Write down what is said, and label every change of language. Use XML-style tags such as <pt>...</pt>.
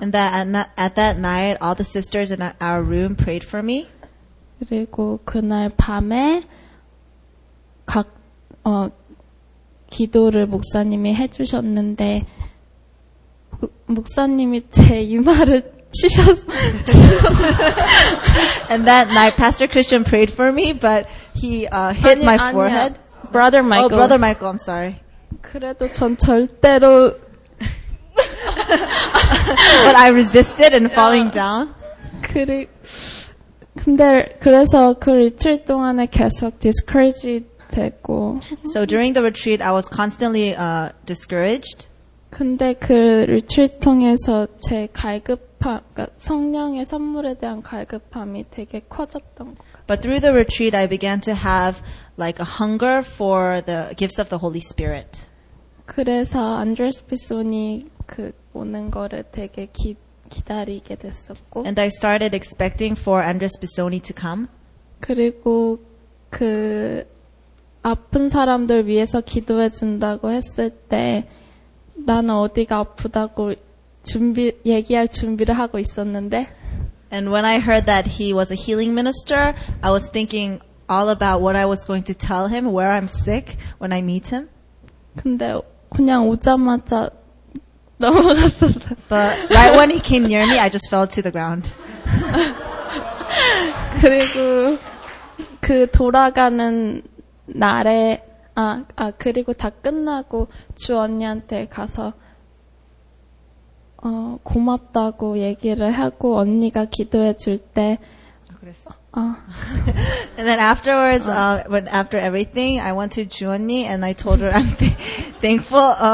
<en>And that at that night, all the sisters in our room prayed for me.</en> <ko>그리고 그날 밤에 각 기도를 목사님이 해주셨는데. 목사님이 제 이마를</ko> <en>And that night, Pastor Christian prayed for me, but he hit my forehead. Brother Michael. Oh, Brother Michael, I'm sorry.</en> <ko>그래도 전 절대로...</ko> <en>But I resisted and falling down.</en> <ko>근데 그래서 그 리트릿 동안에 계속 discouraged 됐고.</ko> <en>So during the retreat, I was constantly discouraged.</en> <ko>근데 그 리트릿 통해서 제 갈급함, 그러니까 성령의 선물에 대한 갈급함이 되게 커졌던 것 같아요.</ko> <en>But through the retreat, I began to have like a hunger for the gifts of the Holy Spirit.</en> <ko>그래서 안드레스 피소니 그 오는 거를 되게 기다리게 됐었고.</ko> <en>And I started expecting for Andres Bisoni to come.</en> <ko>그리고 그 아픈 사람들 위해서 기도해 준다고 했을 때 나는 어디가 아프다고 준비 얘기할 준비를 하고 있었는데.</ko> <en>And when I heard that he was a healing minister, I was thinking all about what I was going to tell him where I'm sick when I meet him.</en> <ko>근데 그냥 오자마자 넘어갔었어.</ko> <en>But right when he came near me, I just fell to the ground.</en> <ko>그리고 그 돌아가는 날에 아 그리고 다 끝나고 주 언니한테 가서 고맙다고 얘기를 하고 언니가 기도해 줄 때 그랬어.</ko> <en>And then afterwards, when after everything, I went to Juwonni and I told her I'm thankful.</en>